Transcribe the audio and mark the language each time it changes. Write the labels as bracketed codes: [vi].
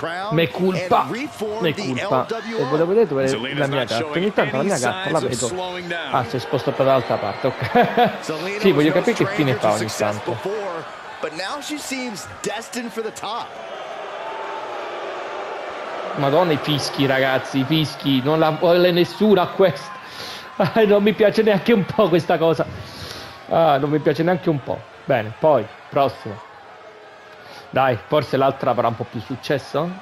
[it] Me culpa, me culpa. E volevo vedere dove è la mia gatta. Ogni tanto la mia gatta la vedo. Ah, si è spostata dall'altra parte, ok. Sì, voglio capire che fine fa ogni tanto. [en] but now she seems destined for the top. [it] Madonna, i fischi, ragazzi, i fischi, non la vuole nessuno a questo. Non mi piace neanche un po' questa cosa. Ah, non mi piace neanche un po'. Bene, poi, prossimo. Dai, forse l'altra avrà un po' più successo.